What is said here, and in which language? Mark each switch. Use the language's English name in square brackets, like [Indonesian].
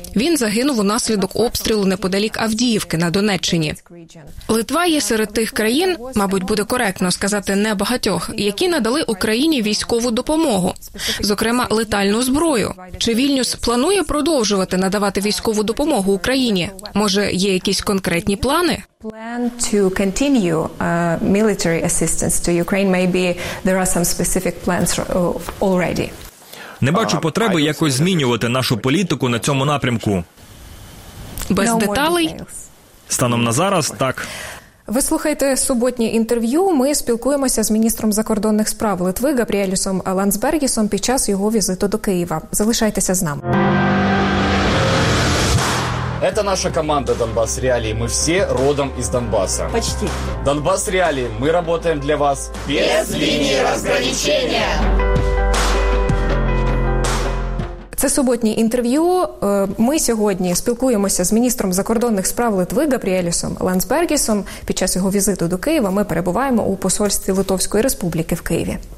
[Ukrainian] Він загинув унаслідок обстрілу неподалік Авдіївки на Донеччині. Литва є серед тих країн, мабуть, буде коректно сказати небагатьох, які надали Україні військову допомогу, зокрема летальну зброю. Чи Вільнюс планує продовжувати надавати військову допомогу Україні? Може, є якісь конкретні плани? [English] Plan to continue military assistance to Ukraine. Maybe there are some specific plans already. [Ukrainian] Не бачу потреби якось змінювати нашу політику на цьому напрямку. Без деталей? Станом на зараз, так. Ви слухаєте суботнє інтерв'ю. Ми спілкуємося з міністром закордонних справ Литви Габріелісом Ландсбергісом під час його візиту до Києва. Залишайтеся з нами. [Russian] Это наша команда «Донбасс Реалии». Мы все родом из Донбасса. Почти. «Донбасс Реалии». Мы работаем для вас. Без линии разграничения. [Ukrainian] Це суботнє інтерв'ю. Ми сьогодні спілкуємося з міністром закордонних справ Литви Габріелісом Ландсбергісом. Під час його візиту до Києва ми перебуваємо у посольстві Литовської Республіки в Києві.